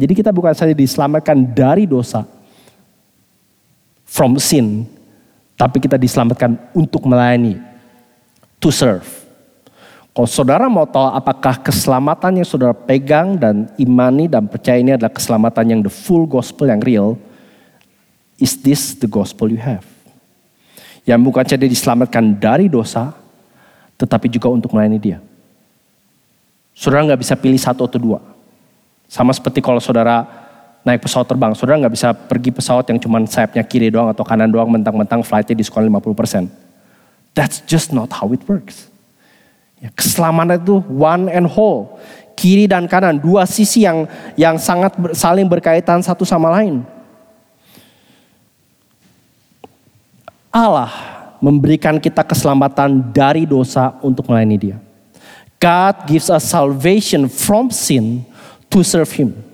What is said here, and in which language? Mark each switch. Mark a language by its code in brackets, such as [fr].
[id] Jadi kita bukan saja diselamatkan dari dosa. [en] From sin. [id] Tapi kita diselamatkan untuk melayani. [en] To serve. [id] Kalau saudara mau tahu apakah keselamatan yang saudara pegang dan imani dan percaya ini adalah keselamatan yang [en] the full gospel [id] yang real. [en] Is this the gospel you have? [id] Yang bukan saja diselamatkan dari dosa, tetapi juga untuk melayani dia. Saudara gak bisa pilih satu atau dua. Sama seperti kalau saudara naik pesawat terbang, saudara gak bisa pergi pesawat yang cuma sayapnya kiri doang atau kanan doang, mentang-mentang flightnya diskon 50%. [en] That's just not how it works. [id] Ya, keselamatan itu [en] one and whole. [id] Kiri dan kanan, dua sisi yang sangat saling berkaitan satu sama lain. Allah memberikan kita keselamatan dari dosa untuk melayani dia. [en] God gives us salvation from sin to serve him.